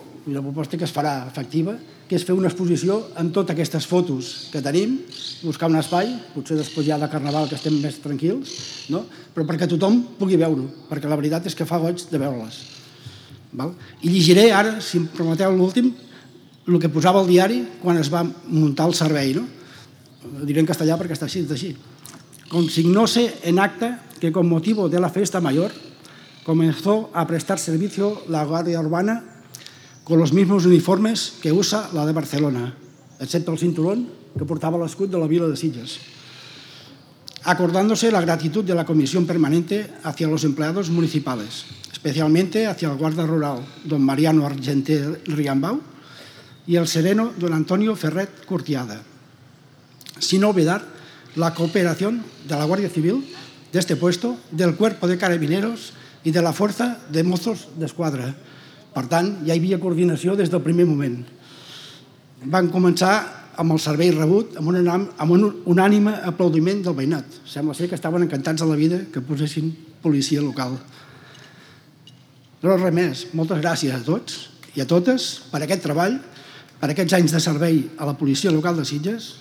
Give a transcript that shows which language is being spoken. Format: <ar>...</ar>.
<ca>i la proposta que es farà efectiva, que és fer una exposició en totes aquestes fotos que tenim, buscar un espai, potser després ja de Carnaval que estem més tranquils, no? Però perquè tothom pugui veure-ho, perquè la veritat és que fa goig de veure-les. Val? I llegiré ara, si em prometeu l'últim, el que posava el diari quan es va muntar el servei. No? Ho diré en castellà perquè està així, és així.</ca> <es>Consignóse en acta que con motivo de la festa mayor comenzó a prestar servicio la Guardia Urbana con los mismos uniformes que usa la de Barcelona, excepto el cinturón que</es> <ca>portava l'escut de la vila de Sitges.</ca> <es>Acordándose la gratitud de la comisión permanente hacia los empleados municipales, especialmente hacia el guarda rural don Mariano Argenter Riambau y el sereno don Antonio Ferret Curtiada, sin olvidar la cooperación de la Guardia Civil de este puesto, del Cuerpo de Carabineros y de la Fuerza de Mozos de Escuadra.</es> <ca>Per tant, ja hi havia coordinació des del primer moment. Van començar amb el servei rebut amb un unànime aplaudiment del veïnat. Sembla ser que estaven encantats de la vida que posessin policia local. No res més. Moltes gràcies a tots i a totes per aquest treball, per aquests anys de servei a la policia local de Sitges.</ca>